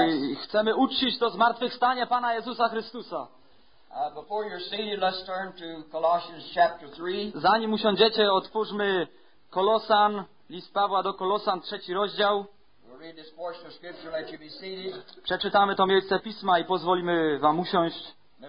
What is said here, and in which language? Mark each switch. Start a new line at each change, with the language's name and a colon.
Polish: I chcemy uczcić to zmartwychwstanie Pana Jezusa Chrystusa.
English: Before you're seated, let's turn to Colossians chapter 3.
Polish: Zanim usiądziecie, otwórzmy Kolosan, list Pawła do Kolosan, trzeci rozdział.
English: We'll read this portion of scripture, let you be seated.
Polish: Przeczytamy to miejsce Pisma i pozwolimy wam usiąść.